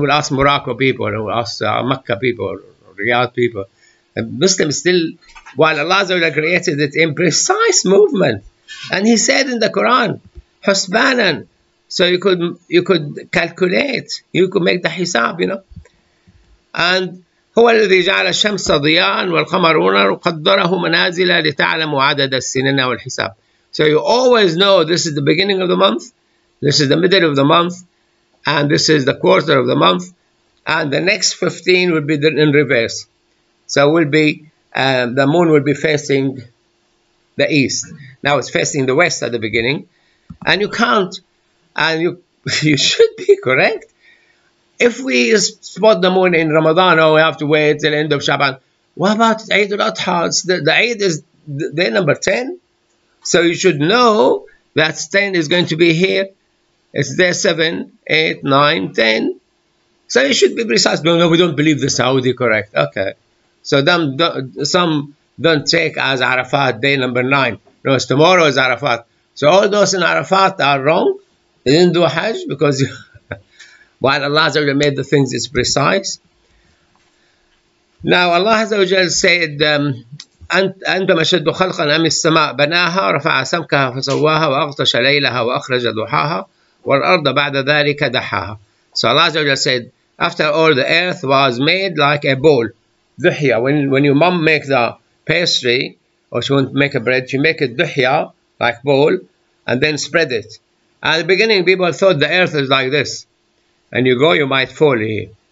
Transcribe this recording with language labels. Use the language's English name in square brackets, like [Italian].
[English] We'll ask Morocco people. And we'll ask Mecca people. Riyadh people. And Muslims still, while Allah created it in precise movement, and he said in the Quran, husbanan, so you could calculate, you could make the hisab, you know. [Arabic] And هو الذي جعل الشمس ضياء والقمر نورا وقدره منازل لتعلموا عدد السنين والحساب. [English] So you always know this is the beginning of the month, this is the middle of the month, and this is the quarter of the month, and the next 15 will be in reverse. So will be the moon will be facing the east. Now it's facing the west at the beginning, and you can't, and you should be correct. If we spot the moon in Ramadan, oh, we have to wait till the end of Shaban. What about Eid al-Adha? The Eid is day number 10, so you should know that 10 is going to be here. It's day 7, 8, 9, 10. So you should be precise. No, we don't believe the Saudi correct. Okay. So some don't take as Arafat day number 9. No, it's tomorrow is Arafat. So all those in Arafat are wrong. They didn't do Hajj because while Allah Azza wa Jalla made the things, it's precise. Now Allah Azza wa Jalla said, [Arabic] أَنْتَ مَشَدُّ خَلْقًا أَمِ السَّمَاءَ بَنَاهَا رَفَعَ سَمْكَهَا فَسَوَّاهَا وَأَغْطَشَ لَيْلَهَا وَأَخْرَجَ ضُحَاهَا وَالْأَرْضَ بَعْدَ ذَلِكَ دَحَاهَا. [English] So Allah Azza wa Jalla said, after all, the earth was made like a bowl. Duhya, when your mom makes the pastry, or she won't make a bread, she make it duhya, like bowl, and then spread it. At the beginning, people thought the earth is like this. And you go, you might fall here.